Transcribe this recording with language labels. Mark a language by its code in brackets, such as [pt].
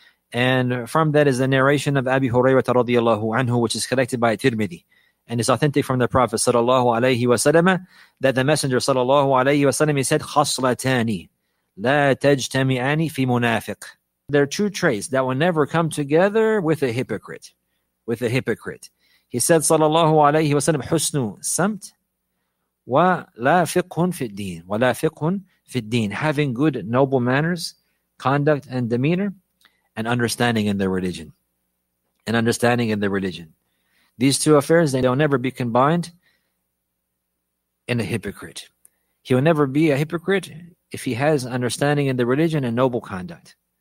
[en] And from that is the narration of Abi Hurairah radiallahu anhu, which is collected by Tirmidhi. And it's authentic from the Prophet sallallahu alayhi wa sallam, that the Messenger sallallahu alayhi wa sallam, he said, [ar] خَصْلَتَانِ لَا تَجْتَمِعَانِ فِي مُنَافِقٍ. [en] There are two traits that will never come together with a hypocrite. With a hypocrite. He said, [ar] sallallahu alayhi wa sallam, حُسْنُ سَمْت وَلَا فِقْهٌ فِي الدِّينِ وَلَا فِقْهٌ فِي الدِّينِ. [en] Having good, noble manners, conduct and demeanor, and understanding in their religion. And understanding in their religion. These two affairs, they'll never be combined in a hypocrite. He will never be a hypocrite if he has understanding in the religion and noble conduct.